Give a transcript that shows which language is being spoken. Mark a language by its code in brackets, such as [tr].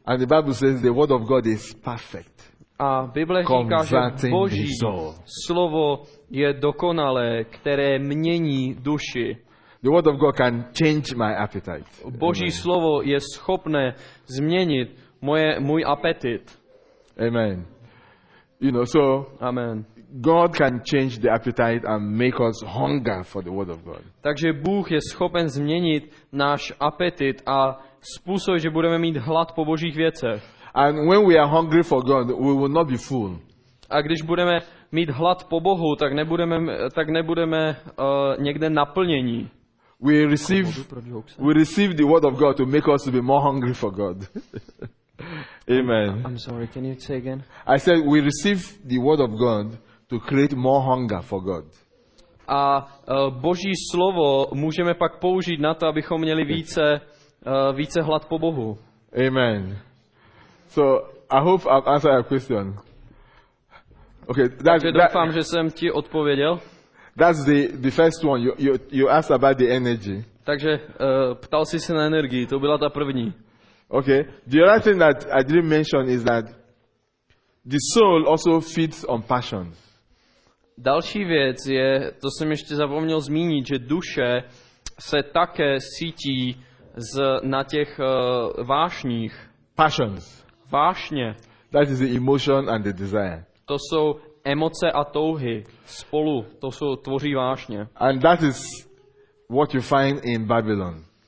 [en] And the Bible says the word of God is perfect. [cs] A Bible říká, že Boží slovo je dokonalé, které mění duši. [en] The word of God can change my appetite. [cs] Boží Amen. Slovo je schopné změnit můj apetit. [en] Amen. You know, so Amen. God can change the appetite and make us hunger for the word of God. [cs] Takže Bůh je schopen změnit náš apetit a způsob, že budeme mít hlad po Božích věcech. [en] And when we are hungry for God, we will not be full. [cs] A když budeme mít hlad po Bohu, tak nebudeme někde naplnění. [en] We receive the word of God to make us to be more hungry for God. Amen. I'm sorry, can you say again? I said we receive the word of God to create more hunger for God. [cs] A Boží slovo můžeme pak použít na to, abychom měli více hlad po Bohu. [en] Amen. So, I hope I've answered your question. Okay, [cs] doufám, že jsem ti odpověděl. [en] That's the first one. You asked about the energy. [cs] Takže ptal jsi se na energii, to byla ta první. [en] Okay. The other thing that I didn't mention is that the soul also feeds on passion. [cs] Další věc je, to jsem ještě zapomněl zmínit, že duše se také sítí na těch vášních. [en] Passions. [cs] Vášně. [en] That is the emotion and the desire. [cs] To jsou emoce a touhy spolu, to jsou tvoří vášně. [en] And that is what you find in Babylon.